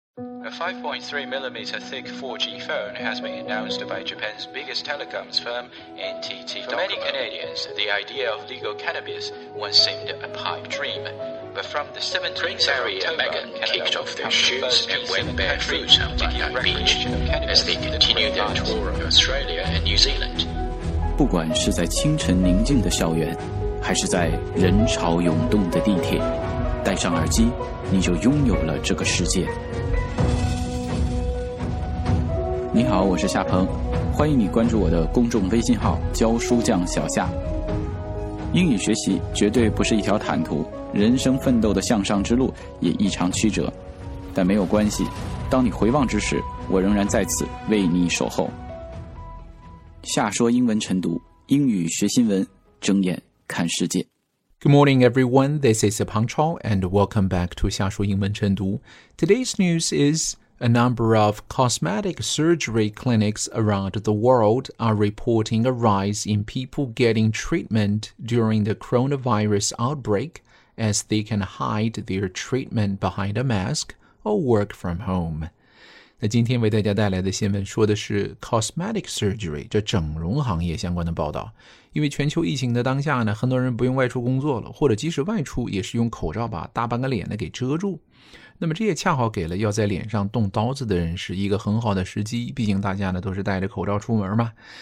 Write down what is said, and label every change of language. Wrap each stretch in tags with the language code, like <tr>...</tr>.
<en>A 5.3mm thick 4G phone has been announced by Japan's biggest telecoms firm, NTT Docomo. For many Canadians, the idea of legal cannabis once seemed a pipe dream. But from the 17th of October, Megan kicked off their shoes and went barefoot on Bondi Beach as they continued their tour of Australia and New Zealand.</en> <zh>不管是在清晨宁静的校园，还是在人潮涌动的地铁，戴上耳机，你就拥有了这个世界。你好，我是夏鹏，欢迎你关注我的公众微信号“教书匠小夏”。英语学习绝对不是一条坦途，人生奋斗的向上之路也异常曲折，但没有关系，当你回望之时，我仍然在此为你守候。夏说英文晨读，英语学新闻，睁眼看世界。</zh> <en>Good morning, everyone. This is Peng Chao, and welcome back to</en> <zh>夏说英文晨读。</zh> <en>Today's news is a number of cosmetic surgery clinics around the world are reporting a rise in people getting treatment during the coronavirus outbreak as they can hide their treatment behind a mask or work from home.</en> <zh>那今天为大家带来的新闻说的是 cosmetic surgery, 这整容行业相关的报道。因为全球疫情的当下呢，很多人不用外出工作了，或者即使外出也是用口罩把大半个脸呢给遮住。那么这也恰好给了要在脸上动刀子的人是一个很好的时机，毕竟大家呢都是戴着口罩出门嘛。</zh>